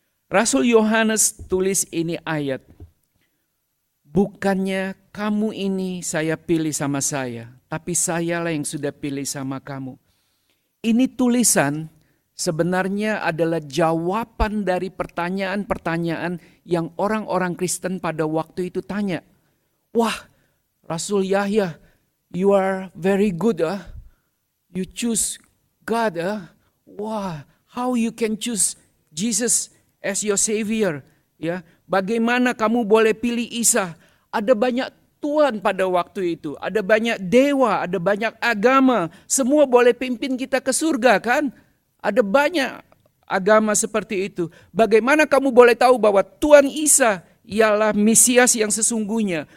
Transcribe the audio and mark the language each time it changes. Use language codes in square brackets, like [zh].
[ms] Rasul Yohanes tulis ini ayat, bukannya kamu ini saya pilih sama saya, tapi sayalah yang sudah pilih sama kamu. Ini tulisan sebenarnya adalah jawaban dari pertanyaan-pertanyaan yang orang-orang Kristen pada waktu itu tanya. [en] Wah, Rasul Yahya, you are very good, you choose God, wow, how you can choose Jesus as your savior, ya? [ms] Bagaimana kamu boleh pilih Isa? Ada banyak tuan pada waktu itu, ada banyak dewa, ada banyak agama, semua boleh pimpin kita ke surga, kan? Ada banyak agama seperti itu. Bagaimana kamu boleh tahu bahwa Tuhan Isa ialah Mesias yang sesungguhnya?